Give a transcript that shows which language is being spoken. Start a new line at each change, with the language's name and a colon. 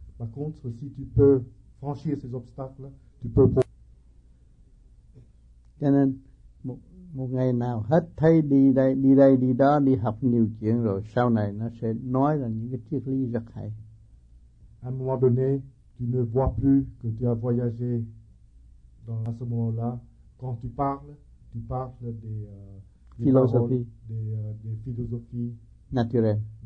French: Par contre, si tu peux franchir ces obstacles, tu peux.
Vietnamese: Cho nên một ngày nào hết thấy đi đây đi đó đi học nhiều chuyện rồi sau này nó sẽ nói là những cái triết lý rất hay.
French: À un moment donné, tu ne vois plus que tu as voyagé dans ce moment-là. Quand tu parles des philosophies, des philosophies naturelles.